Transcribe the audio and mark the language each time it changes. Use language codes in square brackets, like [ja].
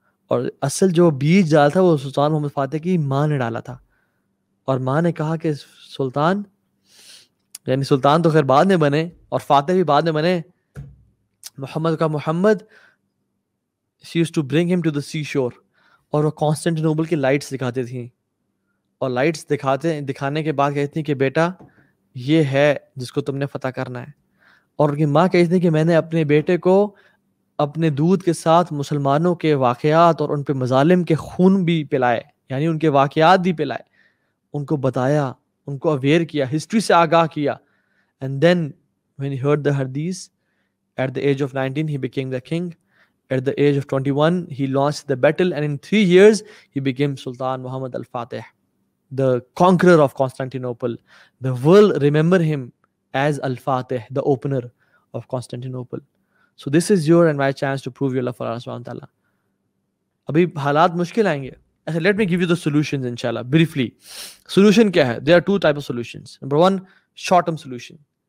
[ur] اور اصل جو بیج ڈالا تھا وہ سلطان محمد فاتح کی ماں نے ڈالا تھا, اور ماں نے کہا کہ سلطان, یعنی سلطان تو خیر بعد میں بنے اور فاتح بھی بعد میں بنے, محمد کا محمد, [en] she uses to bring him to the sea shore, [ur] اور وہ کانسٹینٹینوبل کی لائٹس دکھاتی تھیں, اور لائٹس دکھانے کے بعد کہتی تھیں کہ بیٹا یہ ہے جس کو تم نے فتح کرنا ہے. اور ان کی ماں کہتی تھی کہ میں نے اپنے بیٹے کو اپنے دودھ کے ساتھ مسلمانوں کے واقعات اور ان پہ مظالم کے خون بھی پلائے, یعنی ان کے واقعات بھی پلائے, ان کو بتایا, ان کو اویئر کیا, ہسٹری سے آگاہ کیا. [en] And then when he heard the حدیث, at the age of 19 he became the king, at the age of 21 he launch the battle, and in 3 years he became Sultan Muhammad al-Fatih, the conqueror of Constantinople. The world remember him as Al-Fatih, the opener of Constantinople. So this is your and my chance to prove your love for Allah subhanahu wa ta'ala. [ur] Abhi halat mushkil aayenge. [en] So let me give you the solutions inshallah, briefly. [ur] Solution kya hai? [en] There are 2 types of solutions. Number 1, short-term solution.